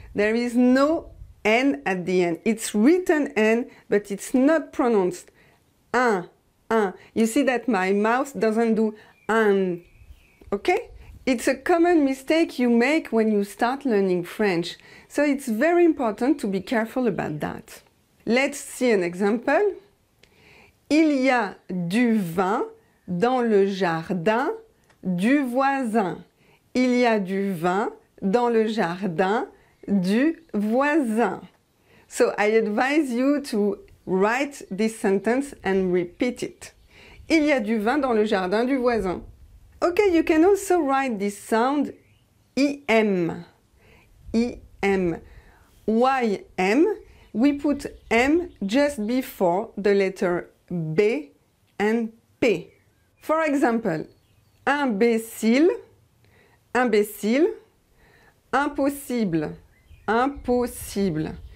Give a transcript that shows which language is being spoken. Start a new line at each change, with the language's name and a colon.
English: There is no N at the end. It's written N, but it's not pronounced. Un, un. You see that my mouth doesn't do un, okay? It's a common mistake you make when you start learning French. So it's very important to be careful about that. Let's see an example.
French: Il y a du vin dans le jardin du voisin. Il y a du vin dans le jardin du voisin.
English: So I advise you to write this sentence and repeat it.
French: Il y a du vin dans le jardin du voisin.
English: Okay, you can also write this sound I-M, I-M. Why M? We put M just before the letter B and P. For example, imbécile, imbécile, impossible, impossible.